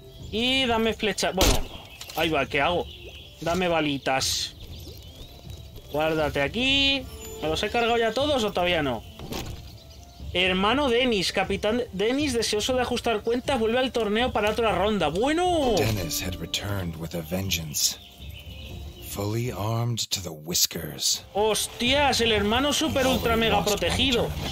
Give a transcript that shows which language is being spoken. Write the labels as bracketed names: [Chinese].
[Spanish] Y dame flecha. Bueno, ahí va, ¿qué hago? Dame balitas. Guárdate aquí. ¿Me los he cargado ya todos o todavía no? Hermano Dennis, capitán Dennis, deseoso de ajustar cuentas, vuelve al torneo para otra ronda. ¡Bueno! [English] Dennis had returned with a vengeance. Fully armed to the whiskers. [Spanish] ¡Hostias! El hermano super ultra mega protegido.